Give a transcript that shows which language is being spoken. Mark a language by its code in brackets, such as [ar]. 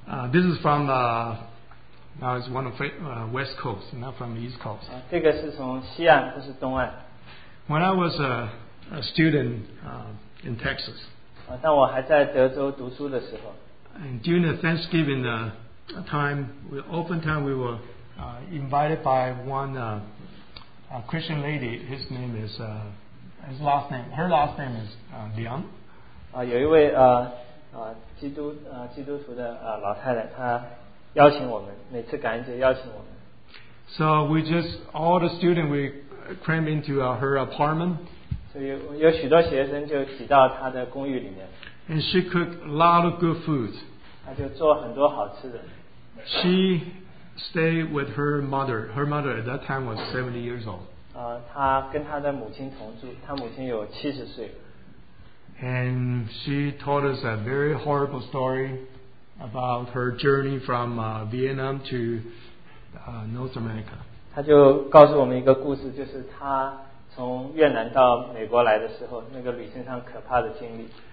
[en] This is from now it's one of West Coast, not from the East Coast. [zh] 这个是从西岸，不是东岸。 [en] When I was a student in Texas. [zh] 当我还在德州读书的时候, [en] and during the Thanksgiving time, we often time we were invited by one a Christian lady. His name is his last name. Her last name is Liang. [zh] 有一位, 基督, 基督徒的, 老太太, 她邀请我们, 每次感恩节邀请我们。 [en] So we just, all the students, we crammed into her apartment. [zh] 有许多学生就挤到她的公寓里面。 [en] And she cooked a lot of good food. [zh] 她就做很多好吃的。 [en] She stayed with her mother. Her mother at that time was 70 years old. [zh] 她跟她的母亲同住, 她母亲有70岁。 [en] And she told us a very horrible story about her journey from Vietnam to North America. [zh] 她就告诉我们一个故事, 就是她从越南到美国来的时候, 那个旅行上可怕的经历。